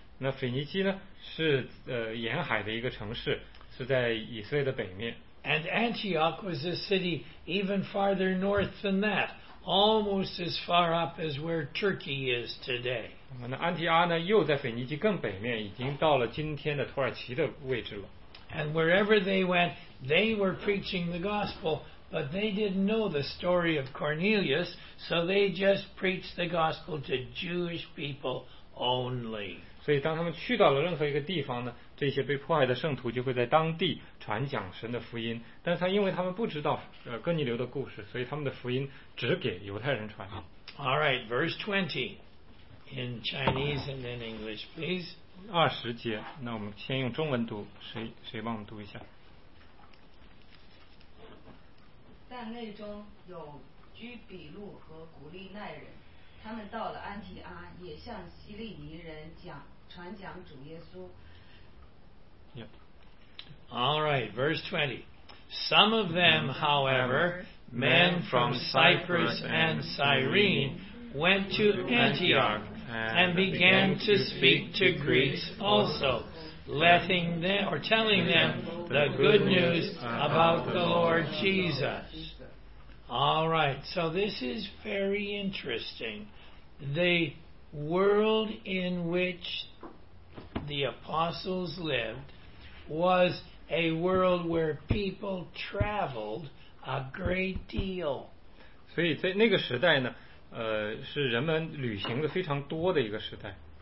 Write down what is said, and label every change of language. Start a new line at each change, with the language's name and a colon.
Chinese: 那腓尼基呢，是沿海的一个城市，是在以色列的北面。
English: And Antioch was a city even farther north than that, almost as far up as where Turkey is today.
Chinese: 那安提阿呢，又在腓尼基更北面，已经到了今天的土耳其的位置了。
English: And wherever they went, They were preaching the gospel, but they didn't know the story of Cornelius, so they just preached the gospel to Jewish people only.
Chinese: 所以当他们去到了任何一个地方呢，这些被迫害的圣徒就会在当地传讲神的福音，但是因为他们不知道哥尼流的故事，所以他们的福音只给犹太人传。
English: All right, verse 20 in Chinese and in English, please.
Chinese: 二十节，那我们先用中文读，谁帮我们读一下？但内中有居比路和古利奈人，他们到了安提阿，也向西利尼人讲传讲主耶稣。
English: Yep. All right, verse 20. Some of them, however, men from Cyprus and Cyrene, went to Antioch and began to speak to Greeks also, letting them, or telling them the good news about the Lord Jesus. All right, so this is very interesting. The world in which the apostles lived was a world where people traveled a great deal.
Chinese: 所以在那个时代呢，是人们旅行的非常多的一个时代。